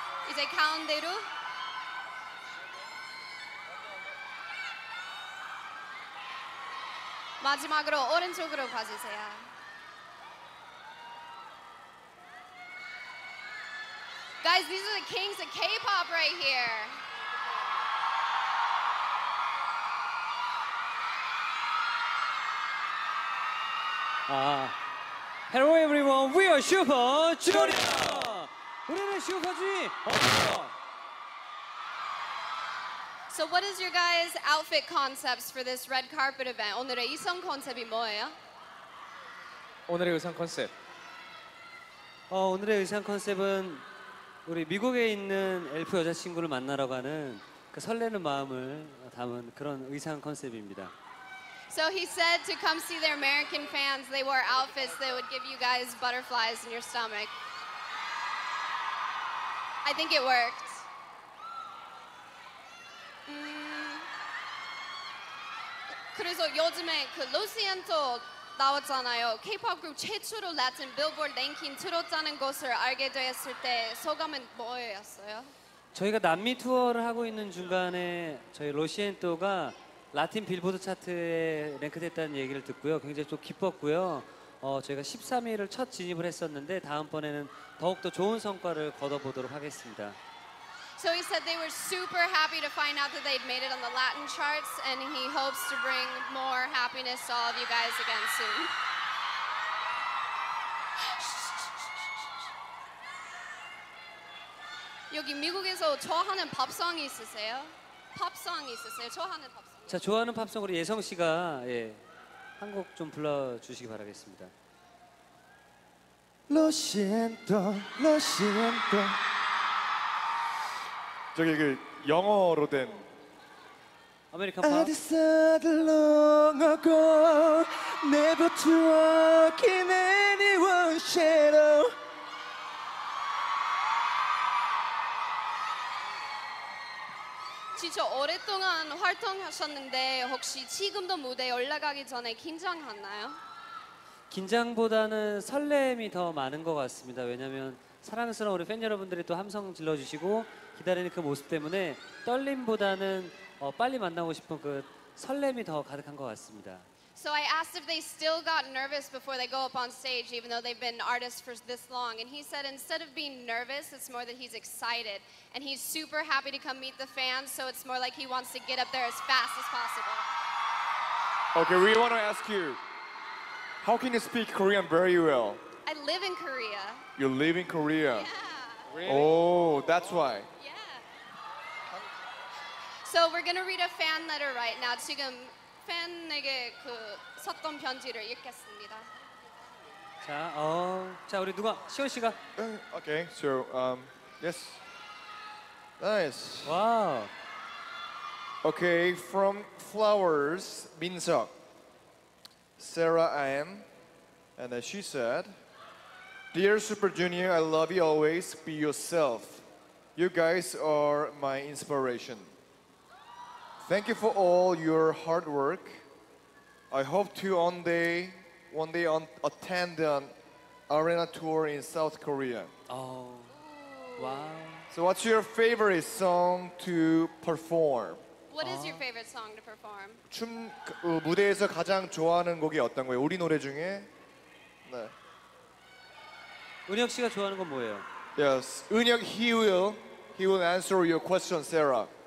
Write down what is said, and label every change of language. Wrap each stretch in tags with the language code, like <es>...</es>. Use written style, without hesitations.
<ko>이제 가운데로 마지막으로 오른쪽으로 봐주세요.</ko> <en>가이즈, these are the kings of K-pop right here. 아, Hello everyone, we are Super Junior!</en> <ko>우리는 Super Junior!</ko> <en>So what is your guys' outfit concepts for this red carpet event?</en> <ko>오늘의 의상 컨셉이 뭐예요? 오늘의 의상 컨셉? 오늘의 의상 컨셉은 우리 미국에 있는 엘프 여자친구를 만나러 가는 그 설레는 마음을 담은 그런 의상 컨셉입니다.</ko> <en>So he said to come see their American fans, they wore outfits that would give you guys butterflies in your stomach. I think it worked. Mm.</en> <ko>그래서 요즘에 그 로시엔토 나왔잖아요. K-pop 그룹 최초로 라틴 빌보드 랭킹 틀었다는 것을 알게 되었을 때 소감은 뭐였어요? 저희가 남미 투어를 하고 있는 중간에 저희 로시엔토가 라틴 빌보드 차트에 랭크됐다는 얘기를 듣고요. 굉장히 좀 기뻤고요. 저희가 13위를 첫 진입을 했었는데 다음번에는 더욱더 좋은 성과를 거둬보도록 하겠습니다. So he said they were super happy to find out that they'd made it on the Latin charts and he hopes to bring more happiness to all of you guys again soon. (웃음) 여기 미국에서 좋아하는 팝송이 있으세요? 팝송이 있으세요? 좋아하는 팝송. 자, 좋아하는 팝송으로 예성 씨가 예, 한 곡 좀 불러주시기 바라겠습니다.</ko> <es>Lo siento, lo siento.</es> <ko>저기 그 영어로 된 아메리칸 팝.</ko> <en>I decided long ago never to walk in anyone's shadow.</en> <ko>진짜 오랫동안 활동하셨는데 혹시 지금도 무대에 올라가기 전에 긴장하나요? 긴장보다는 설렘이 더 많은 것 같습니다. 왜냐하면 사랑스러운 우리 팬 여러분들이 또 함성 질러주시고 기다리는 그 모습 때문에 떨림보다는 빨리 만나고 싶은 그 설렘이 더 가득한 것 같습니다.</ko> <en>So I asked if they still got nervous before they go up on stage, even though they've been artists for this long. And he said instead of being nervous, it's more that he's excited. And he's super happy to come meet the fans, so it's more like he wants to get up there as fast as possible. Okay, we want to ask you, how can you speak Korean very well? I live in Korea. You live in Korea? Yeah. Really? Oh, that's why. Yeah. So we're going to read a fan letter right now.</en> <ko>지금 팬에게 그 썼던 편지를 읽겠습니다. 자 우리 누가 시원 씨가?</ko> <en>Okay, so yes, nice. Wow. Okay, from Flowers Minseok, Sarah Ahn, and she said, "Dear Super Junior, I love you always. Be yourself. You guys are my inspiration." Thank you for all your hard work. I hope to one day attend an arena tour in South Korea. Oh, wow. So what's your favorite song to perform? What is your favorite song to perform?</en> <ko>춤, 무대에서 가장 좋아하는 곡이 어떤 거예요? 우리 노래 중에? 네. 은혁 씨가 좋아하는 건 뭐예요?</ko> <en>Yes, 은혁, he will answer your question, Sarah.</en>